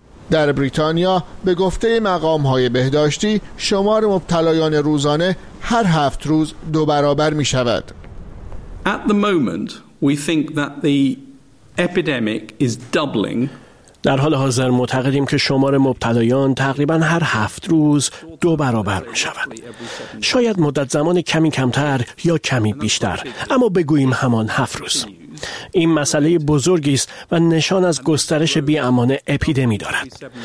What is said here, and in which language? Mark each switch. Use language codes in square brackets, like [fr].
[fa] در بریتانیا به گفته مقام‌های بهداشتی شمار مبتلایان روزانه هر هفت روز دو برابر می‌شود. [en] At the moment we think that the epidemic is doubling. [fa] در حال حاضر معتقدیم که شمار مبتلایان تقریبا هر هفت روز دو برابر می شود. شاید مدت زمان کمی کمتر یا کمی بیشتر، اما بگوییم همان هفت روز. این مسئله بزرگی است و نشان از گسترش بی‌امان اپیدمی دارد.